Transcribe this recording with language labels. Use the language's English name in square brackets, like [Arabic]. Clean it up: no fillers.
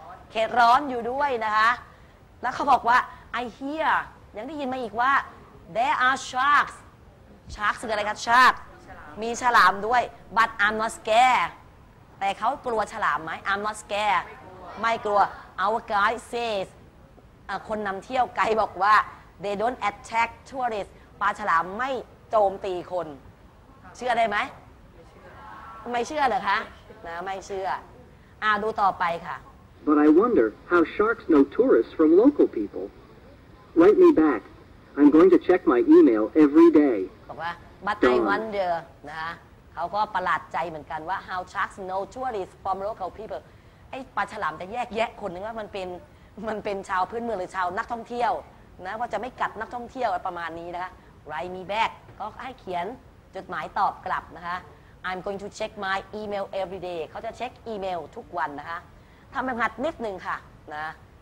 [Thai] เขตร้อนอยู่ด้วยนะคะแล้วเขาบอกว่า [English] I hear [Thai] ยังได้ยินมาอีกว่า [English] there are sharks [Thai] sharks คืออะไรคะ sharksมีฉลามด้วย [English] but I'm not scared [Thai] แต่เขากลัวฉลามไหม [English] I'm not scared [Thai] ไม่กลัว [English] Our guide says [Thai] คนนำเที่ยวไกด์บอกว่า [English] they don't attack tourists [Thai] ปลาฉลามไม่โจมตีคนเชื่อได้ไหมไม่เชื่อเหรอคะนะไม่เชื่อดูต่อไปค่ะ [English] but I wonder how sharks know tourists from local people write me back I'm going to check my email every day [Thai] บอกว่า [English] But I wonder [Thai] นะคะเขาก็ประหลาดใจเหมือนกันว่า [English] how sharks know tourists from local people [Thai] ไอ้ปลาฉลามจะแยกแยะคนนึงว่ามันเป็นชาวพื้นเมืองหรือชาวนักท่องเที่ยวนะว่าจะไม่กัดนักท่องเที่ยวประมาณนี้นะคะ [English] write me back [Thai] ก็ให้เขียนจดหมายตอบกลับนะคะ [English] I'm going to check my email every day [Thai] เขาจะเช็คอีเมลทุกวันนะคะทำแบบหัดนิดนึงค่ะนะ